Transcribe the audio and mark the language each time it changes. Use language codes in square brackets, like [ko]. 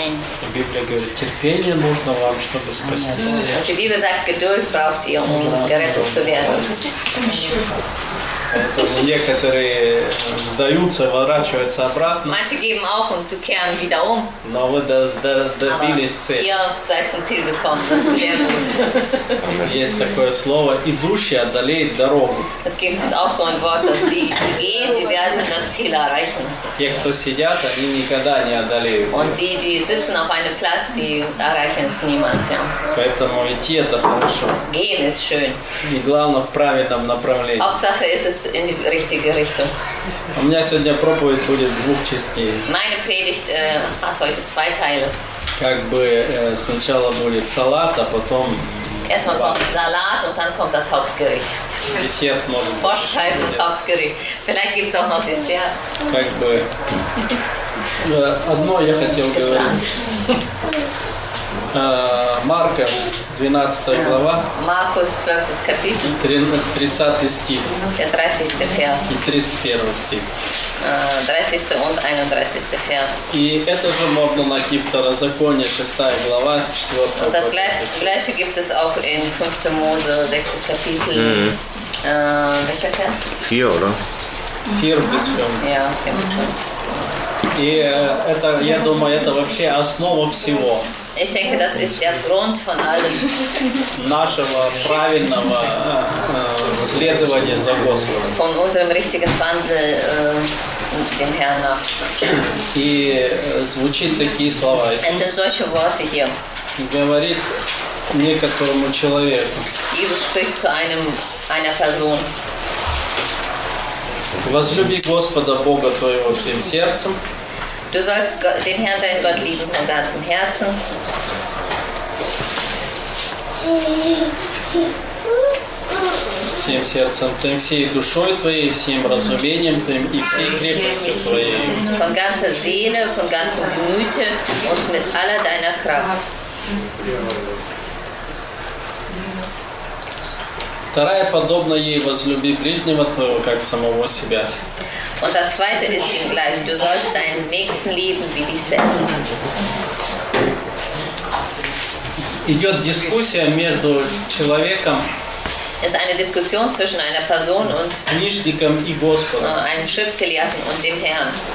[de] Die Bibel [ru] говорит, терпение нужно вам, чтобы спасти себя. [de] Die Bibel sagt, Geduld braucht ihr, gerettet zu werden. [ru] Поэтому некоторые сдаются, ворачиваются обратно. [de] Manche geben auch und du kehren wieder um. [ru] Но вы добились цели. [de] Ihr seid zum Ziel gekommen, das ist sehr gut. [ru] Есть такое слово, идущий одолеет дорогу. [de] Es gibt auch so ein Wort, dass die gehen, die werden das Ziel erreichen. [ru] Те, кто сидят, они никогда не одолеют. [de] Und die, die sitzen auf einem Platz, die erreichen es niemals, ja. [ru] Поэтому идти это хорошо. [de] Gehen ist schön. [ru] И главное в правильном направлении. [de] Hauptsache ist es in die richtige Richtung. [ru] У меня сегодня проповедь будет в двух частей. [de] Meine Predigt hat heute zwei Teile. [ru] Как бы сначала будет салат, а потом... [de] Erstmal kommt Salat und dann kommt das Hauptgericht. [ru] Десерт может быть. [de] Vorspeise und Hauptgericht. Vielleicht gibt es auch noch Dessert. [ru] Как бы... одно я хотел говорить. Марка, 12 глава. Маркус, 12 капитул. 30 стих. [de] 30 vers. [ru] И 31 стих. [de] 30 und 31 vers. И это же можно найти в Второзаконии, 6 глава, 4. Und das gleiche gibt es auch in 5. Mose, 6. Kapitel. Mm-hmm. Welcher vers? 4, oder? 4 bis 5. Ja, 4 bis 5. [ru] И это, я думаю, это вообще основа всего. [de] Ich denke, das ist der Grund von allem. [ru] Нашего правильного следования за Господом. [de] Von unserem richtigen Wandel dem Herrn nach. [ru] И звучит такие слова. [de] Es sind solche Worte hier. [ru] Говорит некоторому человеку. [de] Jesus spricht zu einer Person. [ru] Возлюби Господа Бога твоего всем сердцем. [de] Du sollst den Herrn, deinen Gott, lieben von ganzem Herzen. [ru] Всем сердцем твоим, всей душой твоей, всем разумением твоим и всей крепостью твоей. [de] Von ganzer Seele, von ganzem Gemüte und mit aller deiner Kraft. [ru] Вторая подобна ей, возлюби ближнего твоего, как самого себя. [de] Und das zweite ist ihm gleich, du sollst deinen Nächsten lieben wie dich selbst. [ru] Идет дискуссия между человеком. [de] Es ist eine Diskussion zwischen einer Person und [ru] Книжником и Господом. [de] Einem Schriftgelehrten und dem Herrn.